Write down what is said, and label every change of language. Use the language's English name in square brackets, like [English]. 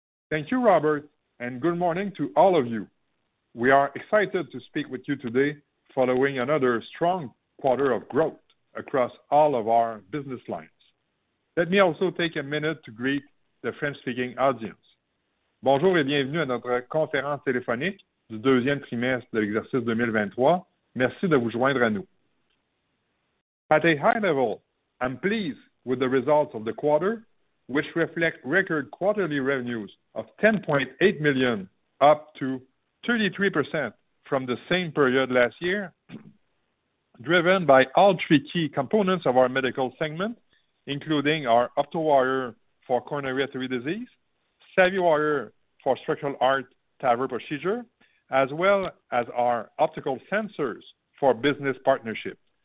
[English] Thank you, Robert, and good morning to all of you. We are excited to speak with you today following another strong quarter of growth across all of our business lines. Let me also take a minute to greet the French-speaking audience. [French] Bonjour et bienvenue à notre conférence téléphonique du deuxième trimestre de l'exercice 2023. Merci de vous joindre à nous. [English] At a high level, I'm pleased with the results of the quarter, which reflect record quarterly revenues of $10.8 million, up to 33% from the same period last year, driven by all three key components of our medical segment, including our OptoWire for coronary artery disease, SavvyWire for structural heart TAVR procedure, as well as our optical sensors for business partnership.